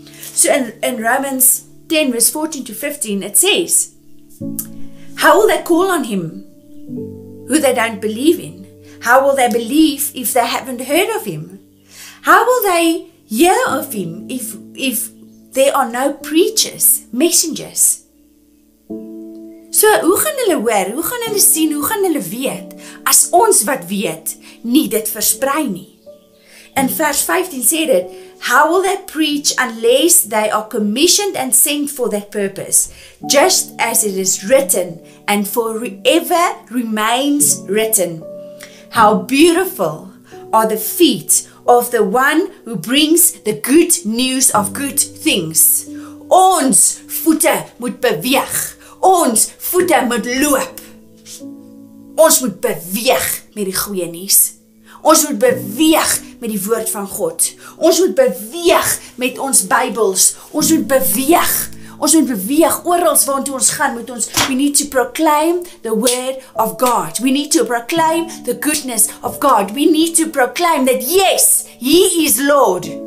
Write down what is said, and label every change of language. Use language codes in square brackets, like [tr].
[en] So in Romans 10 verse 14 to 15, it says, how will they call on him who they don't believe in? How will they believe if they haven't heard of him? How will they hear of him if there are no preachers, messengers? [af] So, hoe gaan hulle hoor? Hoe gaan hulle sien? Hoe gaan hulle weet? As ons wat weet, nie dit versprei nie. In vers 15 sê dit, [en] how will they preach unless they are commissioned and sent for that purpose? Just as it is written and forever remains written. How beautiful are the feet of the one who brings the good news of good things. [af] Ons voete moet beweeg. Ons voete moet loop. Ons moet beweeg met die goeie nuus. Ons moet beweeg met die woord van God. Ons moet beweeg met ons Bybels. Ons moet beweeg. Ons moet beweeg oral waartoe ons gaan. Moet ons, [en] we need to proclaim the word of God. We need to proclaim the goodness of God. We need to proclaim that yes, He is Lord.